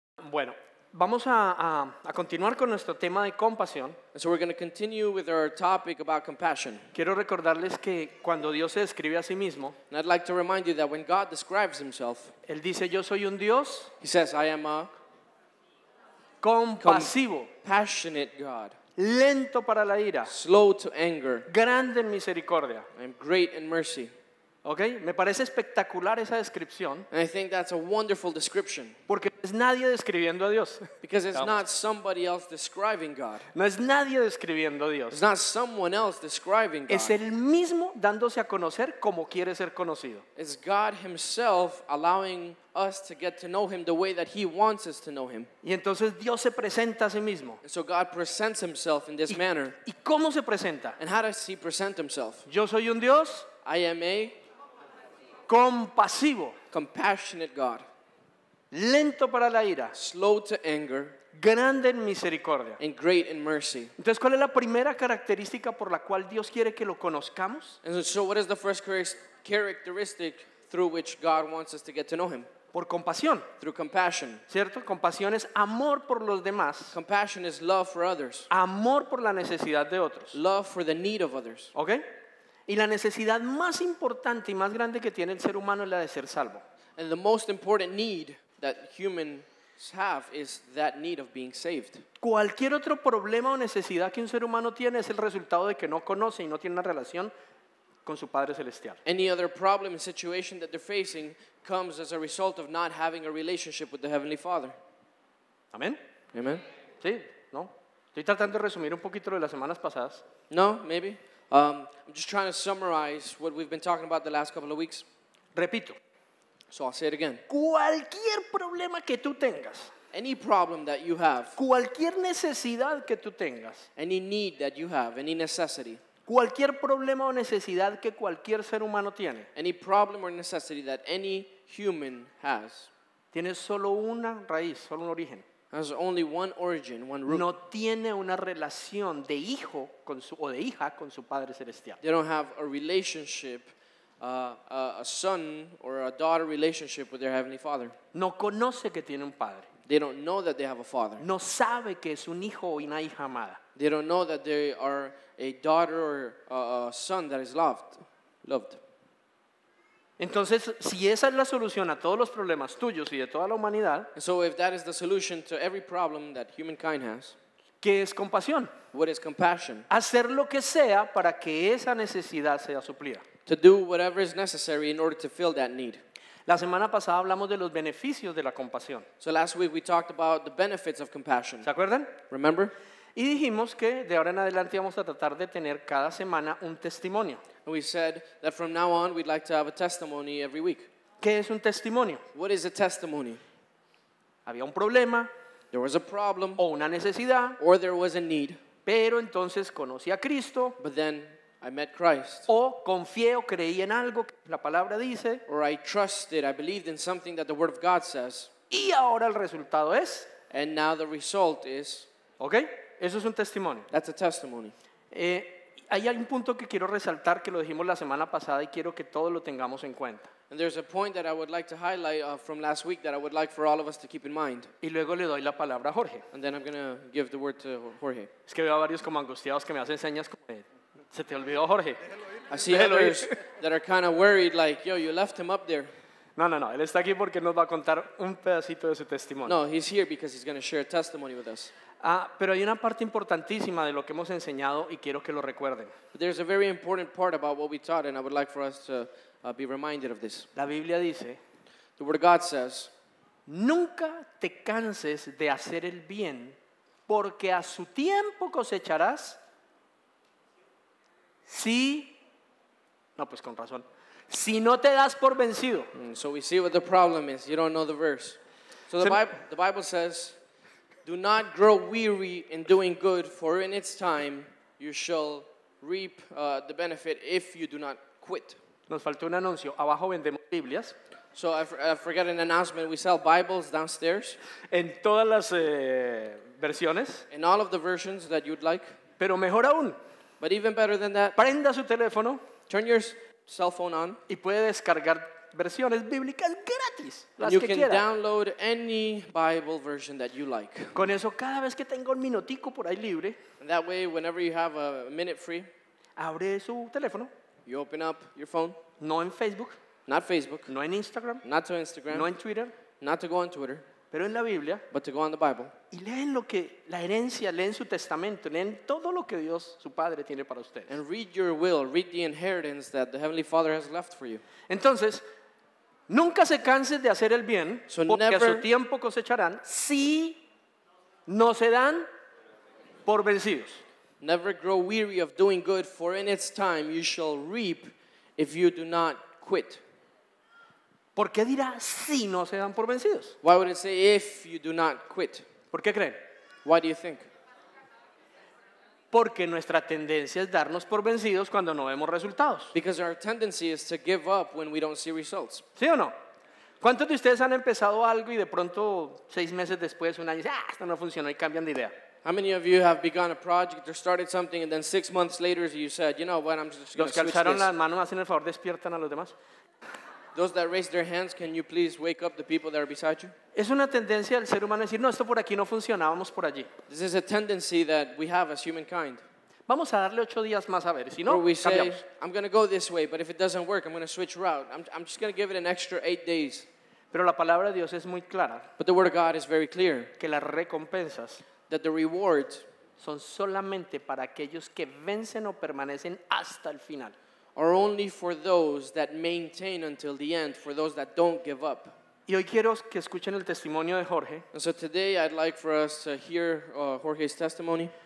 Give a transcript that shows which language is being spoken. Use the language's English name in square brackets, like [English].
[Spanish] Bueno, vamos a continuar con nuestro tema de compasión. [English] So we're going to continue with our topic about compassion. [Spanish] Quiero recordarles que cuando Dios se describe a sí mismo, [English] and I'd like to remind you that when God describes himself, [Spanish] él dice, yo soy un Dios. [English] He says, I am a [Spanish] compasivo. [English] Compassionate God. [Spanish] Lento para la ira. [English] Slow to anger. [Spanish] Grande en misericordia. [English] I am great in mercy. [Spanish] Okay, me parece espectacular esa descripción. [English] And I think that's a wonderful description. [Spanish] Porque no es nadie describiendo a Dios. [English] Because it's not somebody else describing God. [Spanish] No es nadie describiendo a Dios. [English] It's not someone else describing God. [Spanish] Es el mismo dándose a conocer como quiere ser conocido. [English] It's God himself allowing us to get to know him the way that he wants us to know him. [Spanish] Y entonces Dios se presenta a sí mismo. [English] And so God presents himself in this manner. [Spanish] ¿Y cómo se presenta? [English] And how does he present himself? [Spanish] Yo soy un Dios. [English] I am a [Spanish] compasivo, [English] compassionate God, [Spanish] lento para la ira, [English] slow to anger, [Spanish] grande en misericordia, [English] and great in mercy. [Spanish] Entonces, ¿cuál es la primera característica por la cual Dios quiere que lo conozcamos? [English] And so what is the first characteristic through which God wants us to get to know him? [Spanish] Por compasión. [English] Through compassion. [Spanish] ¿Cierto? Compasión es amor por los demás. [English] Compassion is love for others. [Spanish] Amor por la necesidad de otros. [English] Love for the need of others. ¿Okay? [Spanish] Y la necesidad más importante y más grande que tiene el ser humano es la de ser salvo. [English] And the most important need that humans have is that need of being saved. [Spanish] Cualquier otro problema o necesidad que un ser humano tiene es el resultado de que no conoce y no tiene una relación con su Padre Celestial. [English] Any other problem or situation that they're facing comes as a result of not having a relationship with the Heavenly Father. [Spanish] Amén. [English] Amen. [Spanish] Sí, no. Estoy tratando de resumir un poquito lo de las semanas pasadas. [English] No, maybe. I'm just trying to summarize what we've been talking about the last couple of weeks. [Spanish] Repito. [English] So I'll say it again. [Spanish] Cualquier problema que tú tengas. [English] Any problem that you have. [Spanish] Cualquier necesidad que tú tengas. [English] Any need that you have, any necessity. [Spanish] Cualquier problema o necesidad que cualquier ser humano tiene. [English] Any problem or necessity that any human has. [Spanish] Tiene solo una raíz, solo un origen. [English] Has only one origin, one root. [Spanish] No tiene una relación de hijo con su, o de hija con su Padre Celestial. [English] They don't have a relationship, a son or a daughter relationship with their Heavenly Father. [Spanish] No conoce que tiene un padre. [English] They don't know that they have a father. [Spanish] No sabe que es un hijo o una hija amada. [English] They don't know that they are a daughter or a son that is loved. [Spanish] Entonces, si esa es la solución a todos los problemas tuyos y de toda la humanidad, [English] so if that is the solution to every problem that humankind has, [Spanish] ¿qué es compasión? [English] What is compassion? [Spanish] Hacer lo que sea para que esa necesidad sea suplida. [English] To do whatever is necessary in order to fill that need. [Spanish] La semana pasada hablamos de los beneficios de la compasión. [English] So last week we talked about the benefits of compassion. [Spanish] ¿Se acuerdan? [English] Remember? [Spanish] Y dijimos que de ahora en adelante vamos a tratar de tener cada semana un testimonio. [English] We said that from now on we'd like to have a testimony every week. [Spanish] ¿Qué es un testimonio? [English] What is a testimony? [Spanish] Había un problema. [English] There was a problem. [Spanish] O una necesidad. [English] Or there was a need. [Spanish] Pero entonces conocí a Cristo. [English] But then I met Christ. [Spanish] O confié o creí en algo que la palabra dice. [English] Or I trusted, I believed in something that the Word of God says. [Spanish] Y ahora el resultado es. [English] And now the result is. [Spanish] Okay. Eso es un testimonio. [English] That's a testimony. [Spanish] Hay un punto que quiero resaltar que lo dijimos la semana pasada y quiero que todos lo tengamos en cuenta. [English] And there's a point that I would like to highlight from last week that I would like for all of us to keep in mind. [Spanish] Y luego le doy la palabra a Jorge. [English] And then I'm going to give the word to Jorge. [Spanish] Es que veo a varios como angustiados que me hacen señas como, ¿se te olvidó Jorge? [English] I see others that are kind of worried like, yo, you left him up there. [Spanish] No, él está aquí porque nos va a contar un pedacito de su testimonio. [English] No, he's here because he's going to share a testimony with us. [Spanish] Pero hay una parte importantísima de lo que hemos enseñado y quiero que lo recuerden. [English] There's a very important part about what we taught and I would like for us to be reminded of this. [Spanish] La Biblia dice, [English] the Word of God says, [Spanish] nunca te canses de hacer el bien porque a su tiempo cosecharás si, no pues con razón, si no te das por vencido. [English] So we see what the problem is, you don't know the verse. So the Bible says, do not grow weary in doing good, for in its time you shall reap the benefit if you do not quit. [Spanish] Nos faltó un anuncio. Abajo vendemos Biblias. [English] So I forget an announcement. We sell Bibles downstairs. [Spanish] En todas las versiones. [English] In all of the versions that you'd like. [Spanish] Pero mejor aún. [English] But even better than that. [Spanish] Prenda su teléfono. [English] Turn your cell phone on. [Spanish] Y puede descargar versiones bíblicas gratis, las [English] you [Spanish] que [English] can [Spanish] quiera. [English] Download any Bible version that you like. [Spanish] Con eso, cada vez que tenga un minutico por ahí libre, [English] that way, whenever you have a minute free, [Spanish] abre su teléfono. [English] You open up your phone. [Spanish] No en Facebook. [English] Not Facebook. [Spanish] No en Instagram. [English] Not to Instagram. [Spanish] No en Twitter. [English] Not to go on Twitter. [Spanish] Pero en la Biblia. [English] But to go on the Bible. [Spanish] Y leen lo que la herencia, leen su testamento, leen todo lo que Dios, su Padre, tiene para ustedes. [English] And read your will, read the inheritance that the Heavenly Father has left for you. [Spanish] Entonces, nunca se cansen de hacer el bien, so porque [English] never, [Spanish] a su tiempo cosecharán, si no se dan por vencidos. [English] Never grow weary of doing good, for in its time you shall reap if you do not quit. [Spanish] ¿Por qué dirá si no se dan por vencidos? [English] Why would it say if you do not quit? [Spanish] ¿Por qué creen? [English] Why do you think? [Spanish] Porque nuestra tendencia es darnos por vencidos cuando no vemos resultados. [English] Because our tendency is to give up when we don't see results. [Spanish] ¿Sí o no? ¿Cuántos de ustedes han empezado algo y de pronto 6 meses después, un año, dicen, ah, esto no funcionó y cambian de idea? [English] How many of you have begun a project or started something and then 6 months later you said, you know what, I'm just going to switch this. [Spanish] La mano, hacen el favor, despiertan a los demás. [English] Those that raise their hands, can you please wake up the people that are beside you? [Spanish] Es una tendencia del ser humano decir, no, esto por aquí no funciona, vamos por allí. [English] This is a tendency that we have as humankind. [Spanish] Vamos a darle 8 días más a ver, si no, [English] or we say, [Spanish] cambiamos. [English] I'm going to go this way, but if it doesn't work, I'm going to switch route. I'm just going to give it an extra 8 days. [Spanish] Pero la palabra de Dios es muy clara. [English] But the word of God is very clear. [Spanish] Que las recompensas, [English] that the rewards, [Spanish] son solamente para aquellos que vencen o permanecen hasta el final. [English] Are only for those that maintain until the end, for those that don't give up. [Spanish] Y hoy quiero que escuchen el testimonio de Jorge. [English] And so today I'd like for us to hear Jorge's testimony.